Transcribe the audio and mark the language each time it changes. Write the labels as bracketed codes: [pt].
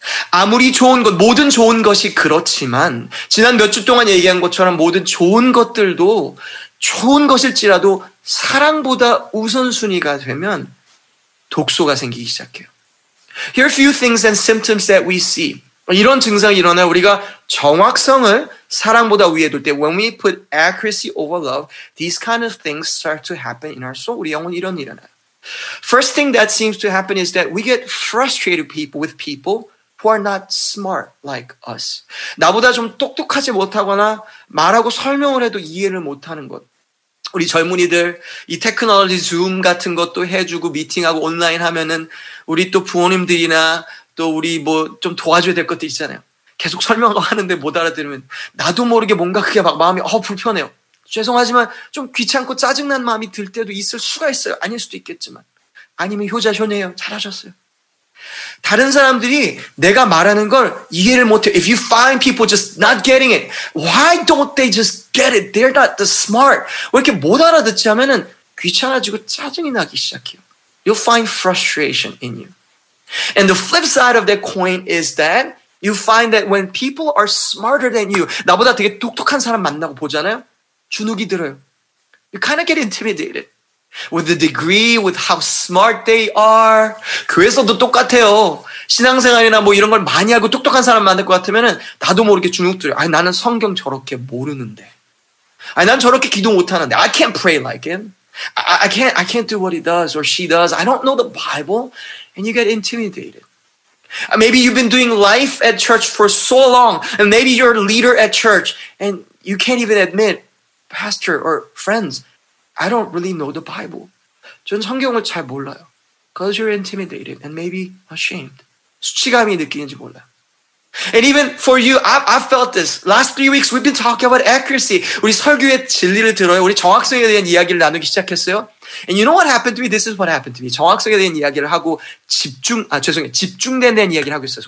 [ko] 아무리 좋은 것, 모든 좋은 것이 그렇지만 지난 몇 주 동안 얘기한 것처럼 모든 좋은 것들도 좋은 것일지라도 사랑보다 우선순위가 되면 독소가 생기기 시작해요. [en] Here are a few things and symptoms that we see. [ko] 이런 증상이 일어나요. 우리가 정확성을 사랑보다 위에 둘 때 [en] when we put accuracy over love, these kind of things start to happen in our soul. [ko] 우리 영혼 이런 일어나요. [en] First thing that seems to happen is that we get frustrated with people who are not smart like us. [ko] 나보다 좀 똑똑하지 못하거나 말하고 설명을 해도 이해를 못하는 것. 우리 젊은이들 이 테크놀로지 줌 같은 것도 해주고 미팅하고 온라인 하면은 우리 또 부모님들이나 또 우리 뭐 좀 도와줘야 될 것도 있잖아요. 계속 설명을 하는데 못 알아들으면 나도 모르게 뭔가 그게 막 마음이 불편해요. 죄송하지만 좀 귀찮고 짜증난 마음이 들 때도 있을 수가 있어요. 아닐 수도 있겠지만. 아니면 효자 효녀예요. 잘하셨어요. 다른 사람들이 내가 말하는 걸 이해를 못해. [en] If you find people just not getting it, why don't they just get it? They're not the smart. [ko] 왜 이렇게 못 알아듣지 하면은 귀찮아지고 짜증이 나기 시작해요. [en] You'll find frustration in you. And the flip side of that coin is that you find that when people are smarter than you, [ko] 나보다 되게 똑똑한 사람 만나고 보잖아요. 주눅이 들어요. [en] You kind of get intimidated. With the degree, with how smart they are. [ko] 교회에서도 똑같아요. 신앙생활이나 뭐 이런 걸 많이 알고 똑똑한 사람 만날 것 같으면은 나도 모르게 주눅 들어요. 아니, 나는 성경 저렇게 모르는데. 아니, 난 저렇게 기도 못하는데. [en] I can't pray like him. I can't do what he does or she does. I don't know the Bible. And you get intimidated. Maybe you've been doing life at church for so long. And maybe you're a leader at church. And you can't even admit, pastor or friends, I don't really know the Bible. [ko] 전 성경을 잘 몰라요. [en] Because you're intimidated and maybe ashamed. [ko] 수치감이 느끼는지 몰라요. [en] And even for you, I felt this. Last 3 weeks, we've been talking about accuracy. [ko] 우리 설교의 진리를 들어요. 우리 정확성에 대한 이야기를 나누기 시작했어요. [en] And you know what happened to me? This is what happened to me. [ko] 정확성에 대한 이야기를 하고 집중된 이야기를 하고 있었어요.